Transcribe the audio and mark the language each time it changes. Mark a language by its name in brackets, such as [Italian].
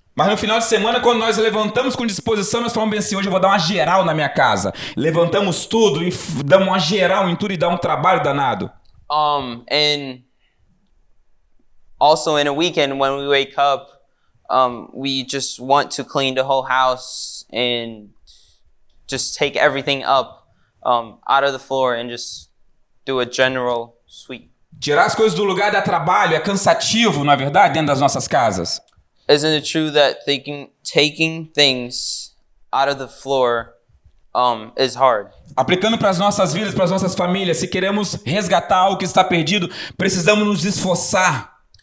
[Portuguese] Mas no final de semana, quando nós levantamos com disposição, nós falamos bem assim, hoje eu vou dar uma geral na minha casa. Levantamos tudo e damos uma geral em tudo e dá um trabalho danado. [English] And also in a weekend, when we wake up, we just want to clean the whole house and just take everything up out of the floor and just do a general sweep. [Portuguese] Tirar as coisas do lugar dá trabalho, é cansativo, não é verdade, dentro das nossas casas. [English] Isn't it true that taking things out of the floor is hard? [Portuguese] Aplicando para as nossas vidas, para as nossas famílias, se queremos resgatar algo que está perdido, precisamos nos esforçar.